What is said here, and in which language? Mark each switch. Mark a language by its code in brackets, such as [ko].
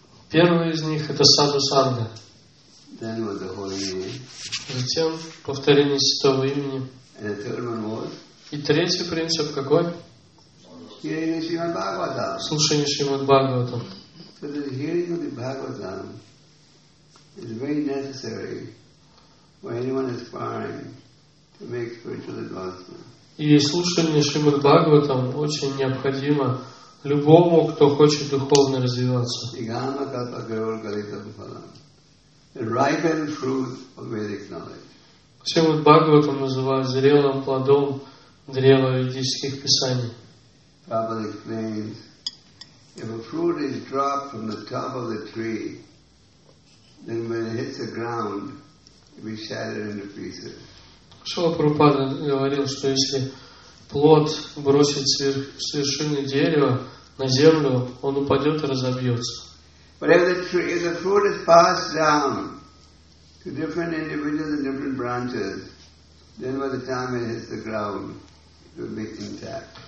[ru] Первый из них — это саду санга. [en] Then was the holy name. [ru] Затем повторение святого имени. [en] And the third one was? [ru] И третий принцип какой? [en] Hearing the Shrimad Bhagavatam. [ru] Слушание Шримад Бхагаватам. [en] So the hearing of the Bhagavatam It's very necessary for anyone aspiring to make spiritual advancement. [ru] И слушание Шримад Бхагаватам очень необходимо любому, кто хочет духовно развиваться. [sa] Игама тата гаур галита бхалам. [en] Ripened fruit of Vedic knowledge. [ru] Шримад Бхагаватам называют зрелым плодом древа ведических писаний. [en] Prabhupada explains, if a fruit is dropped from the top of the tree, then when it hits the ground, it will be shattered into pieces. [ru] Шрила Прабхупада говорил, что если плод бросит с вершины дерева на землю, он упадет и разобьется. [en] But if the fruit is passed down to different individuals and different branches, then by the time it hits the ground, it will be intact.